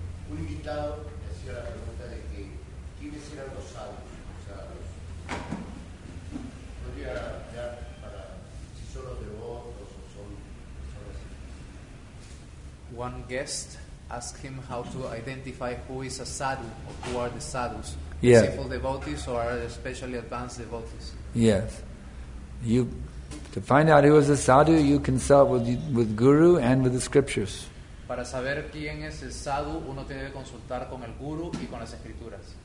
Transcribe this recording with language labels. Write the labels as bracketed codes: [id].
[es] Un invitado le hacía la pregunta de que quiénes eran los sabios, o sea, los, podría dar para si son los devotos o son personas. [en] One guest asked him how to identify who is a sadhu or who are the sadhus. Yes. Simple devotees or are especially advanced devotees. Yes. You to find out who is a sadhu, you consult with Guru and with the scriptures. [es] Para saber quién es el sadhu, uno tiene que consultar con el guru y con las escrituras.